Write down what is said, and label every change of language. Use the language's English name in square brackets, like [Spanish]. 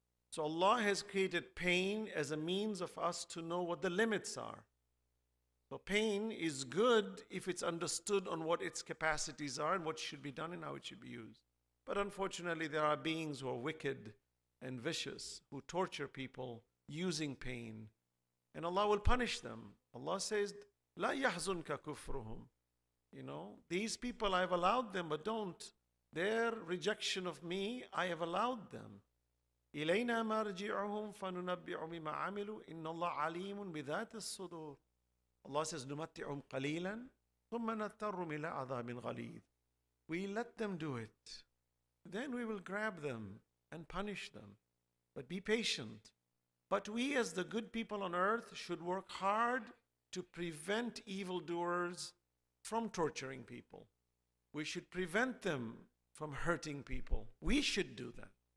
[English] So Allah has created pain as a means of us to know what the limits are. So pain is good if it's understood on what its capacities are and what should be done and how it should be used. But unfortunately, there are beings who are wicked and vicious, who torture people using pain. And Allah will punish them. Allah says, [Arabic] لا يحزنك كفرهم. [English] You know, these people, I have allowed them, but don't. Their rejection of me, I have allowed them. [Arabic] إلينا مرجعهم فننبعهم بما عملوا إن الله عليم بذات الصدور. [English] Allah says, [Arabic] نمتعهم قليلا ثم نضطرهم إلى عذاب غليظ. [English] We let them do it. Then we will grab them and punish them. But be patient. But we, as the good people on earth, should work hard to prevent evildoers from torturing people. We should prevent them from hurting people. We should do that.